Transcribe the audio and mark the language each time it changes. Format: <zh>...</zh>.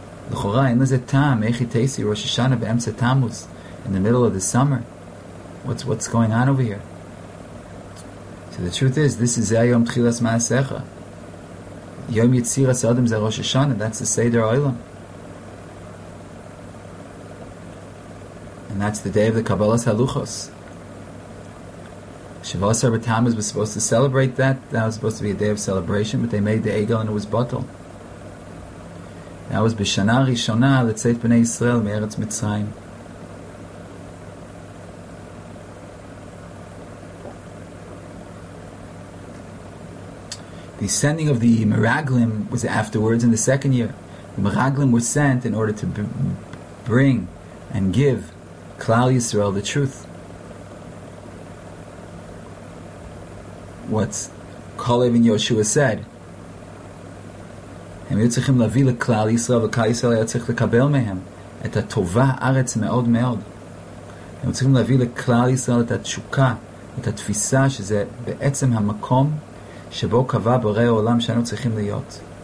<he>לכאורה, אין לזה טעם, איך היא תעשי ראש השנה באמצע תמוז,</he> <en>in the middle of the summer. What's going on over here? So the truth is, this is</en> <he>היום תחילת מעשיך. יום יציר הסעודם זה ראש השנה,</he> <en>that's the Seder Olam. And that's the day of the Kabbalah Haluchos. Shavu Asar B'Tamuz was supposed to celebrate that, that was supposed to be a day of celebration, but they made the Egel and it was bottled. That was</en> <he>בשנה הראשונה לצאת בני ישראל מארץ מצרים.</he> <en>The sending of the Meraglim was afterwards in the second year. The Meraglim were sent in order to bring and give Klal Yisrael the truth. What Kalev and Yoshua said.</en> <he>הם היו צריכים להביא לכלל ישראל, וכלל ישראל היה צריך לקבל מהם את הטובה ארץ מאוד מאוד. הם צריכים להביא לכלל ישראל את התשוקה, את התפיסה, שזה בעצם המקום שבו קבע בורא העולם שאנו צריכים להיות.</he>